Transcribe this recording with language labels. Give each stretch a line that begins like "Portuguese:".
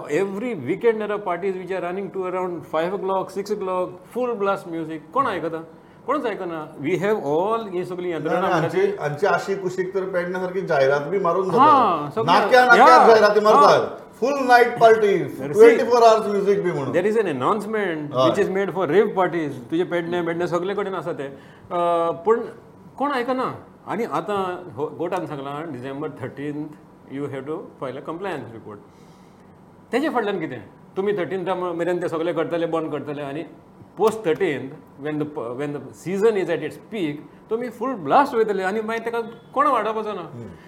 English: every weekend parties which are running to around 5 o'clock, 6 o'clock, full blast music,
Goan Konkani: कोण आयकता? कोणच ऐकना.
English: we have all
Goan Konkani: हे सगळी यंत्रणा आमची अशी कुशीक तर पेडण्यासारखी जाहिरात बी मारून जाहिराती मारतात.
English: full night party 24 hours music
Goan Konkani: बी म्हणून
English: There is an announcement which is made for rave parties.
Goan Konkani: तुझे पेडणे मेडणे सगळे कडेन असा ते पण कोण ऐकना. आणि आता कोर्टान सांगला
English: December 13th you have to file a compliance report.
Goan Konkani: त्याचे फाटल्यान किती तुम्ही 13th मेरेन ते सगळे करतले बंद करतले आणि
English: post 13th when the season is at its peak
Goan Konkani: तुम्ही फुल ब्लास्ट वयतले आणि मागीर त्या कोण वाडोवपाचो ना.